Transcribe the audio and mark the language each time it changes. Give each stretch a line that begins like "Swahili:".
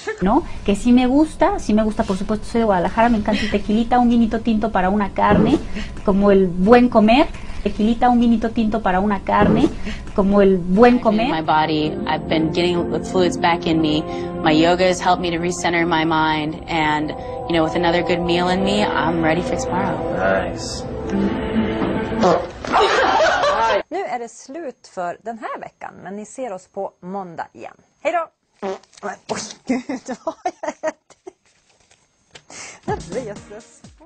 Spanish: No, que si me gusta por supuesto soy de Guadalajara, me encanta el tequilita, un vinito tinto para una carne, como el buen comer. Tequilita, un vinito tinto para una carne, como el buen comer.
English: My body, I've been getting the fluids back in me. My yoga has helped me to recenter my mind, and you know, with another good meal in me, I'm ready for tomorrow. Nice.
Swedish: Nu är det slut för den här veckan, men ni ser oss på måndag igen. Hej då. Oj, gud, vad jag äter. Jesus.